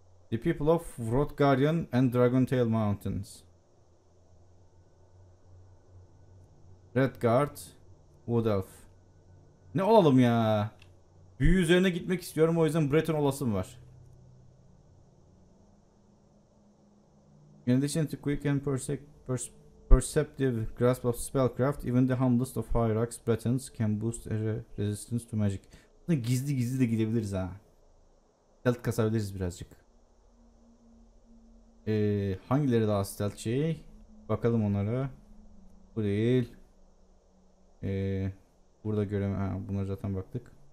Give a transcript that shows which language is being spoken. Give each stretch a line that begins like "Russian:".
English: The people of Wrothgarion and Dragontail Mountains.
Turkish: Redguard, Wood Elf. Ne olalım ya? Büyü üzerine gitmek istiyorum, o yüzden Breton olasım var.
English: In addition to quick and perceptive grasp of spellcraft, even the humblest of hierarchs, Bretons can boost resistance to magic.
Turkish: Gizli gizli de gidebiliriz ha. Stealth kasabiliriz birazcık. Hangileri daha stealthçi? Bakalım onlara. Bu değil. Burada göremiyorum. Buna zaten baktık.